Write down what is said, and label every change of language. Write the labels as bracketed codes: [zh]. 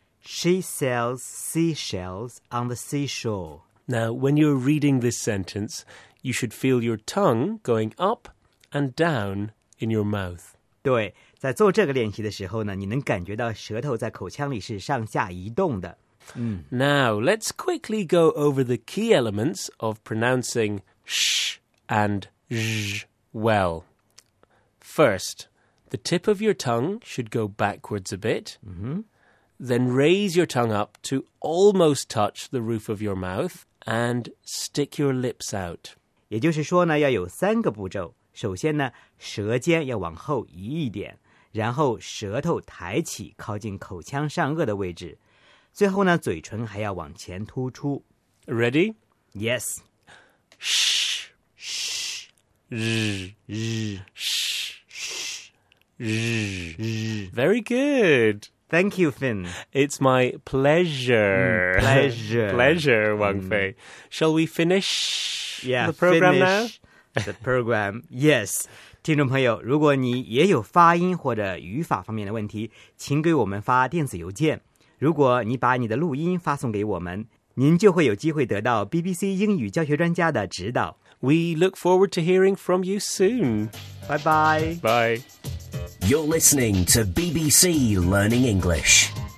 [en] She sells seashells on the seashore. Now, when you're reading this sentence, you should feel your tongue going up and down in your mouth. [zh] 对，在做这个练习的时候呢，你能感觉到舌头在口腔里是上下移动的。 [en] Now, let's quickly go over the key elements of pronouncing sh and zh well. First, the tip of your tongue should go backwards a bit. Then raise your tongue up to almost touch the roof of your mouth and stick your lips out. [zh] 也就是说呢，要有三个步骤。首先呢，舌尖要往后移一点，然后舌头抬起靠近口腔上颚的位置。最后呢，嘴唇还要往前突出。 [en] Ready? Yes. Shh. Shh. Zh. Zh. Very good. Thank you, Finn. It's my pleasure. Pleasure, Wang Fei. Shall we finish the program now? The program, yes. [zh] 听众朋友，如果你也有发音或者语法方面的问题，请给我们发电子邮件。如果你把你的录音发送给我们，您就会有机会得到 BBC 英语教学专家的指导。 [en] We look forward to hearing from you soon. Bye bye. Bye. You're listening to BBC Learning English.